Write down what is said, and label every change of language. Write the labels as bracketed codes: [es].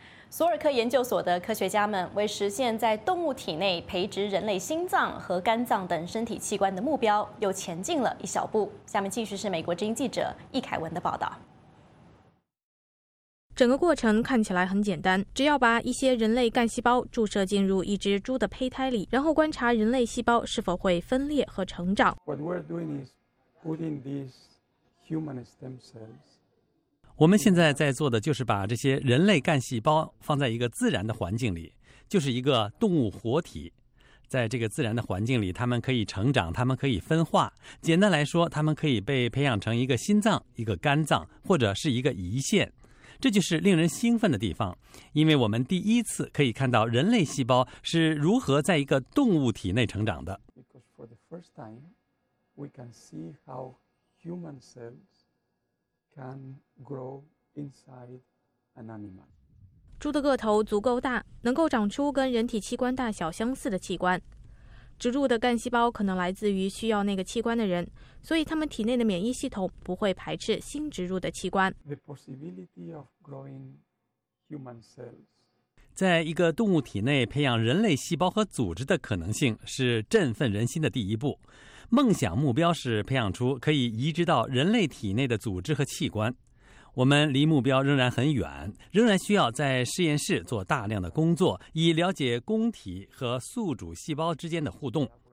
[zh] 索尔克研究所的科学家们为实现在动物体内培植人类心脏和肝脏等身体器官的目标又前进了一小步。下面继续是美国之音记者易凯文的报道。整个过程看起来很简单，只要把一些人类干细胞注射进入一只猪的胚胎里，然后观察人类细胞是否会分裂和成长。 [en] What we're doing is putting these human stem cells. [zh] 我们现在在做的就是把这些人类干细胞放在一个自然的环境里，就是一个动物活体。在这个自然的环境里，它们可以成长，它们可以分化。简单来说，它们可以被培养成一个心脏、一个肝脏，或者是一个胰腺。这就是令人兴奋的地方，因为我们第一次可以看到人类细胞是如何在一个动物体内成长的。 [en] Because for the first time, we can see how human cells can grow inside an animal. [zh] 猪的个头足够大，能够长出跟人体器官大小相似的器官。植入的干细胞可能来自于需要那个器官的人，所以他们体内的免疫系统不会排斥新植入的器官。 [en] The possibility of growing human cells. [zh] 在一个动物体内培养人类细胞和组织的可能性是振奋人心的第一步。梦想目标是培养出可以移植到人类体内的组织和器官。我们离目标仍然很远，仍然需要在实验室做大量的工作，以了解工体和宿主细胞之间的互动。